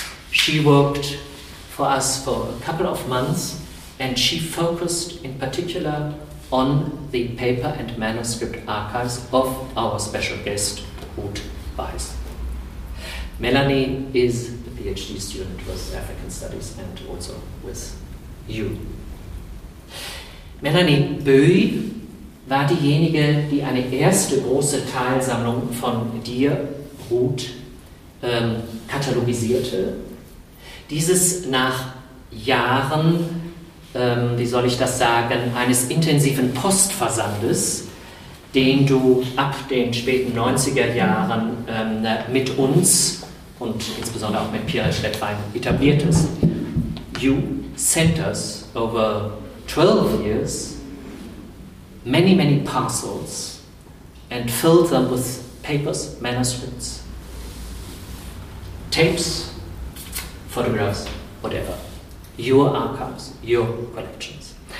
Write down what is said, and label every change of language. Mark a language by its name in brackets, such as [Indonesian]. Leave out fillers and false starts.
[English] She worked for us for a couple of months, and she focused in particular on the paper and manuscript archives of our special guest, Ruth Weiss. Melanie is a PhD student with African Studies and also with you. [German] Melanie Böhi war diejenige, die eine erste große Teilsammlung von dir, Ruth, katalogisierte. Dieses nach Jahren, wie soll ich das sagen, eines intensiven Postversandes, den du ab den späten 90er Jahren mit uns und insbesondere auch mit Pierre Schlettwein etabliertest. [English] You sent us over 12 years many, many parcels and filled them with papers, manuscripts, tapes, photographs, whatever, your archives, your collections.